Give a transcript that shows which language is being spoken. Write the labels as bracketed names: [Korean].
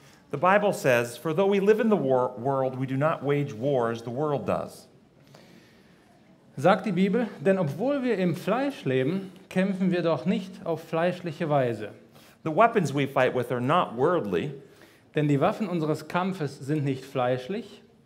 [English] the Bible says, for though we live in the world, we do not wage war as the world does. [German] Sagt die Bibel, denn obwohl wir im Fleisch leben, kämpfen wir doch nicht auf fleischliche Weise. [English] The weapons we fight with are not worldly, [German] denn die Waffen unseres Kampfes sind nicht fleischlich,